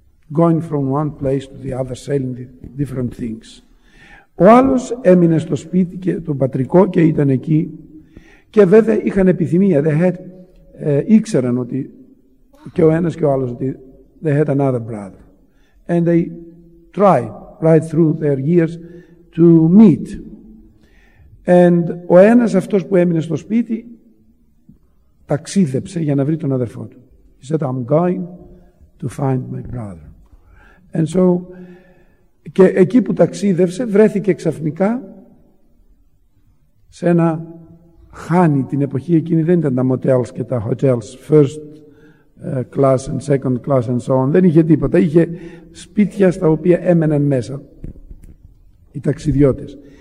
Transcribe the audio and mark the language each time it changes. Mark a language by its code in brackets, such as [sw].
[en] Going from one place to the other, selling different things. [el] Ο άλλος έμεινε στο σπίτι και τον πατρικό και ήταν εκεί. Και βέβαια είχαν επιθυμία. Ήξεραν ότι και ο ένας και ο άλλος ότι [en] they had another brother. And they tried right through their years to meet. [el] And ο ένας αυτός που έμεινε στο σπίτι ταξίδεψε για να βρει τον αδερφό του. [en] He said, I'm going to find my brother. And so, [el] και εκεί που ταξίδευσε βρέθηκε ξαφνικά σε ένα χάνι. Την εποχή εκείνη δεν ήταν τα motels και τα hotels, [en] first class and second class and so on. [el] Δεν είχε τίποτα. Είχε σπίτια στα οποία έμεναν μέσα οι ταξιδιώτες.